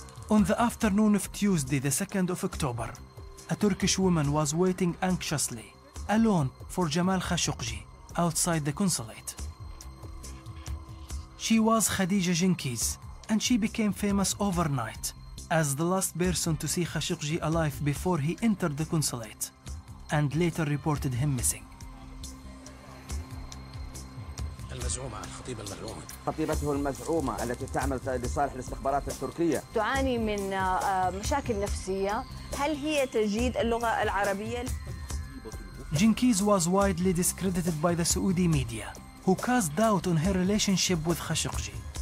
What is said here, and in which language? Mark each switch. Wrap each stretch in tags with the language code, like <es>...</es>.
<en>On the afternoon of Tuesday, the 2nd of October, a Turkish woman was waiting anxiously, alone, for Jamal Khashoggi outside the consulate. She was Khadija Jinkiz, and she became famous overnight as the last person to see Khashoggi alive before he entered the consulate and later reported him missing.</en> <ar>خطيبته المزعومة التي تعمل لصالح الاستخبارات التركية تعاني من مشاكل نفسية هل هي تجيد اللغة العربية؟</ar> <en>Jinkiz was widely discredited by the Saudi media, who cast doubt on her relationship with Khashoggi.</en>